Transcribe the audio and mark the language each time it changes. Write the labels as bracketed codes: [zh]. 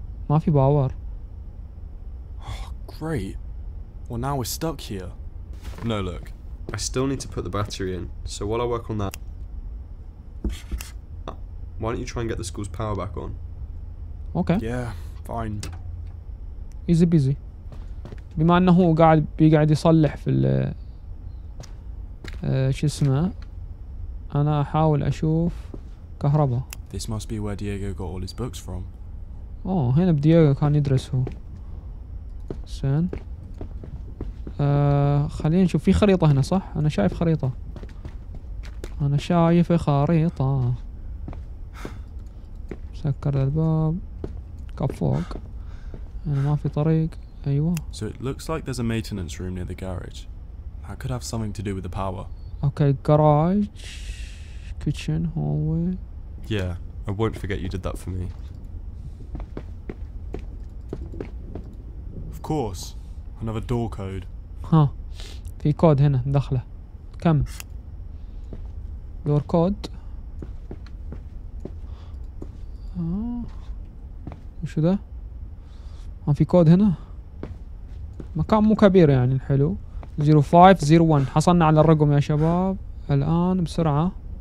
[ar] ما في باور. [en] Oh, great. Well, now we're stuck here. No, look. I still need to put the battery in. So while I work on that, why don't you try and get the school's power back on? Okay. Yeah. Fine. Easy peasy. [ar] بما أنه قاعد بيقعد يصلح في ال شو اسمه. أنا أحاول أشوف كهرباء. [en] This must be where Diego got all his books from. [ar] Oh, هنا بديجو كان يدرس هو. زين. خلينا نشوف في خريطة هنا صح؟ أنا شايف خريطة. أنا شايف خريطة. سكر الباب. كفوك. أنا ما في طريق. [en] There you are. So it looks like there's a maintenance room near the garage. That could have something to do with the power. Okay, garage, kitchen, hallway. Yeah, I won't forget you did that for me. Of course. Another door code. [ar] Huh. في كود هنا دخله. كم؟ [en] Door code. [ar] وشو ده؟ ها في كود هنا؟ مكان مو كبير يعني حلو. 0501 حصلنا على الرقم يا شباب الآن بسرعة.